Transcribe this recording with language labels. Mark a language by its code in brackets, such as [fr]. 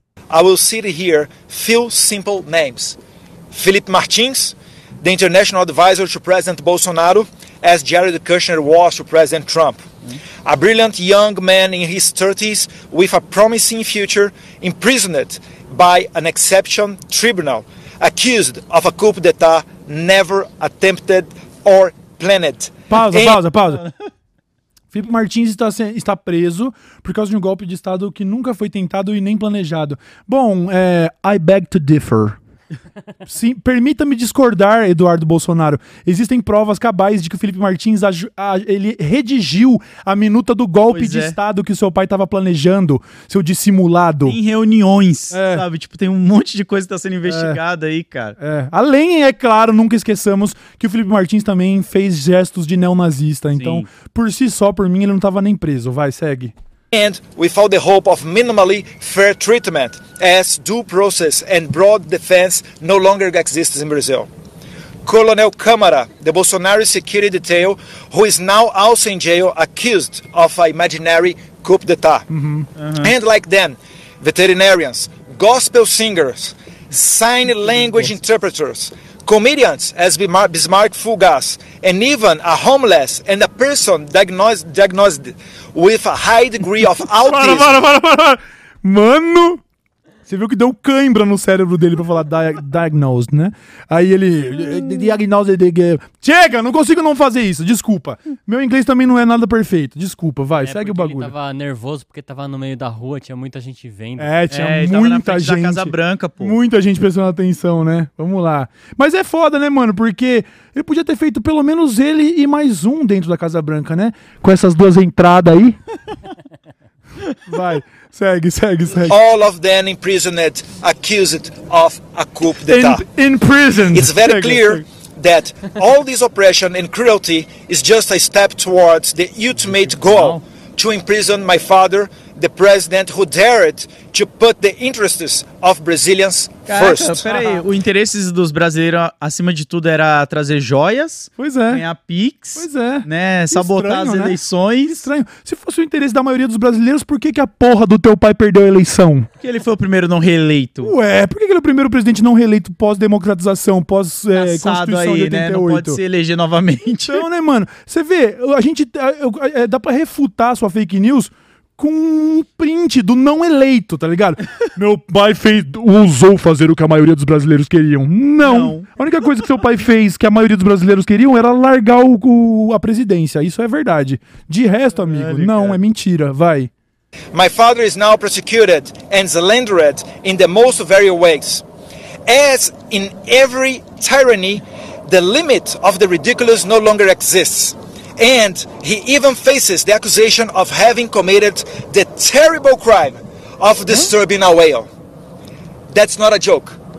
[en] I will cite here few simple names. Philip Martins, the international advisor to President Bolsonaro, as Jared Kushner was to President Trump. A brilliant young man in his 30s with a promising future, imprisoned by an exception tribunal, accused of a coup d'etat never attempted or planned. [pt] Pausa. Felipe Martins está preso por causa de um golpe de Estado que nunca foi tentado e nem planejado. Bom, [en] I beg to differ. [pt] Sim, permita-me discordar, Eduardo Bolsonaro. Existem provas cabais de que o Felipe Martins ele redigiu a minuta do golpe de Estado que o seu pai estava planejando, seu dissimulado. Em reuniões, sabe? Tipo, tem um monte de coisa que está sendo investigada aí, cara. Além, é claro, nunca esqueçamos que o Felipe Martins também fez gestos de neonazista. Sim. Então, por si só, por mim, ele não estava nem preso. Vai, segue. [en] And without the hope of minimally fair treatment, as due process and broad defense no longer exists in Brazil. Colonel Câmara, the Bolsonaro security detail, who is now also in jail, accused of an imaginary coup d'etat. Mm-hmm. Uh-huh. And like them, veterinarians, gospel singers, sign language interpreters, comedians as Bismarck Fugaz, and even a homeless and a person diagnosed with a high degree of autism. [pt] Para. Mano, você viu que deu cãibra no cérebro dele pra falar diagnosed, né? Aí ele... Chega, não consigo não fazer isso, desculpa. Meu inglês também não é nada perfeito, desculpa, vai, segue o bagulho. Ele tava nervoso porque tava no meio da rua, tinha muita gente vendo. Tinha muita gente. Da Casa Branca, pô. Muita gente prestando atenção, né? Vamos lá. Mas é foda, né, mano? Porque ele podia ter feito pelo menos ele e mais um dentro da Casa Branca, né? Com essas duas entradas aí. Vai, segue. [en] All of them imprisoned, accused of a coup d'etat. Imprisoned. It's very clear that all this oppression and cruelty is just a step towards the ultimate goal to imprison my father, the president who dared to put the interests of Brazilians first. [pt] Caraca, peraí, o interesse dos brasileiros, acima de tudo, era trazer joias, ganhar Pix, né, sabotar estranho, as eleições. Que estranho. Se fosse o interesse da maioria dos brasileiros, por que, que a porra do teu pai perdeu a eleição? Porque ele foi o primeiro não reeleito. Ué, por que ele é o primeiro presidente não reeleito pós-democratização, pós-constituição de 88? Né? Não pode se eleger novamente. Então, né, mano, você vê, a gente, dá pra refutar a sua fake news com um print do não eleito, tá ligado? Meu pai usou fazer o que a maioria dos brasileiros queriam. Não. A única coisa que seu pai fez que a maioria dos brasileiros queriam era largar a presidência. Isso é verdade. De resto, amigo, não, é mentira. Vai. [en] My father is now prosecuted and slandered in the most various ways. As in every tyranny, the limit of the ridiculous no longer exists. And he even faces the accusation of having committed the terrible crime of disturbing a whale. That's not a joke.